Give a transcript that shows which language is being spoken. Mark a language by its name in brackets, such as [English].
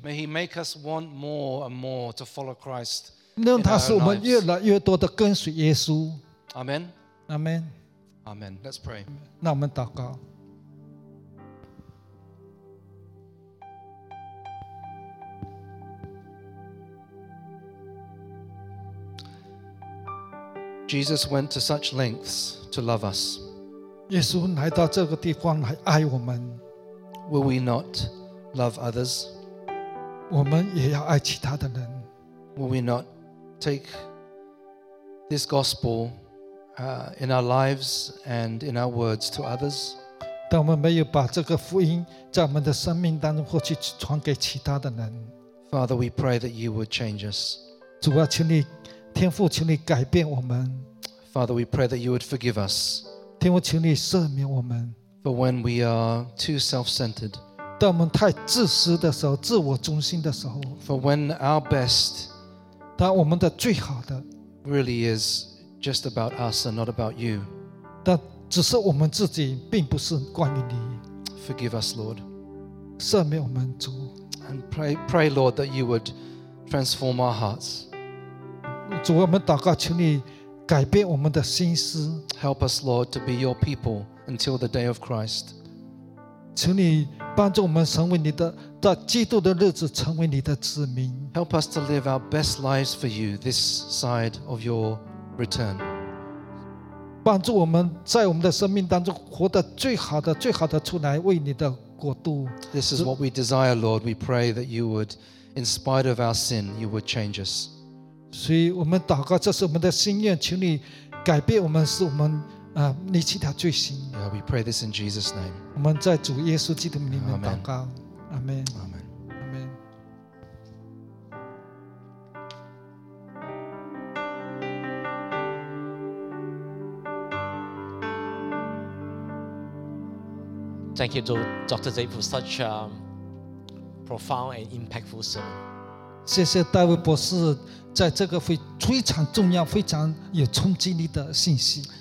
[English] May He make us want more and more to follow Christ. [Chinese] 让他使我们越来越多的跟随耶稣。 [English] Amen. Amen. Amen. Let's pray. [Chinese] 那我们祷告。 [English] Jesus went to such lengths to love us. [Chinese] 耶稣来到这个地方来爱我们。 [English] Will we not love others? [Chinese] 我们也要爱其他的人。 [English] Will we not take this gospel in our lives and in our words to others? [Chinese] 当我们没有把这个福音在我们的生命当中或去传给其他的人。 [English] Father, we pray that you would change us. [Chinese] 主啊，求你。天父，求你改变我们。 [English] Father, we pray that you would forgive us. [Chinese] 天父，求你赦免我们。 [English] For when we are too self-centered. [Chinese] 当我们太自私的时候，自我中心的时候。 [English] For when our best. [Chinese] 当我们的最好的。 [English] Really is just about us and not about you. [Chinese] 当只是我们自己，并不是关于你。 [English] Forgive us, Lord. [Chinese] 赦免我们，主。 [English] And pray, Lord, that you would transform our hearts. [Chinese] 主，我们祷告，求你改变我们的心思。 [English] Help us, Lord, to be your people until the day of Christ. [Chinese] 求你帮助我们成为你的，到基督的日子成为你的子民。 [English] Help us to live our best lives for you this side of your return. [Chinese] 帮助我们在我们的生命当中活得最好的、最好的出来，为你的国度。 [English] This is what we desire, Lord. We pray that you would, in spite of our sin, you would change us. [Chinese] 所以我们祷告，这是我们的心愿，求你改变我们，使我们离弃他罪行。 [English] Yeah, we pray this in Jesus' name. [Chinese] 我们在主耶稣基督里面祷告，阿门。阿门。阿门。 [English] Thank you, Dr. Zay, for such a profound and impactful sermon. [Chinese] 谢谢大卫博士。在这个非常重要、非常有冲击力的信息。